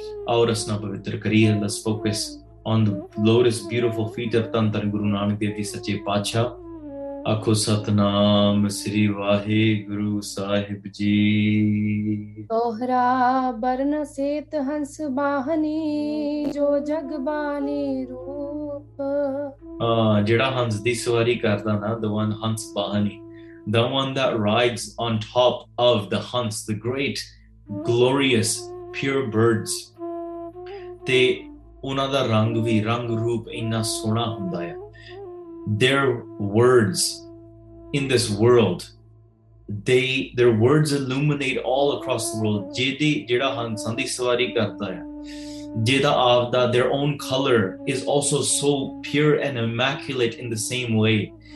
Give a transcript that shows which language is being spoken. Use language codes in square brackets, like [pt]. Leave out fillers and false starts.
[pa] ਔਰ ਰਸਨਾ ਪਵਿੱਤਰ ਕਰੀਏ, [en] let's focus on the lotus beautiful feet of [pa] ਧੰਨ ਧੰਨ ਗੁਰੂ ਨਾਨਕ ਦੇਵ ਜੀ ਸੱਚੇ ਪਾਤਸ਼ਾਹ। ਆਖੋ ਸਤਨਾਮ ਸ੍ਰੀ ਵਾਹਿਗੁਰੂ ਸਾਹਿਬ ਜੀ। ਦੋਹਰਾ ਬਰਨ ਸੇਤ ਹੰਸ ਬਾਹਨੀ ਜੋ ਜਗ ਬਾਣੀ ਰੂਪ। ਜਿਹੜਾ ਹੰਸ ਦੀ ਸਵਾਰੀ ਕਰਦਾ ਨਾ, [en] the one hans ਬਾਹਨੀ, the one that rides on top of the hans, the great glorious, pure birds. [pa] ਤੇ ਉਹਨਾਂ ਦਾ ਰੰਗ ਵੀ ਰੰਗ ਰੂਪ ਇੰਨਾ ਸੋਹਣਾ ਹੁੰਦਾ ਹੈ. [en] Their words in this world, their words illuminate all across the world. [pa] ਜਿਹਦੀ ਜਿਹੜਾ ਹੰਸਾਂ ਦੀ ਸਵਾਰੀ ਕਰਦਾ ਹੈ, ਜਿਹਦਾ ਆਪਦਾ [en] their own color is also so pure and immaculate in the same way.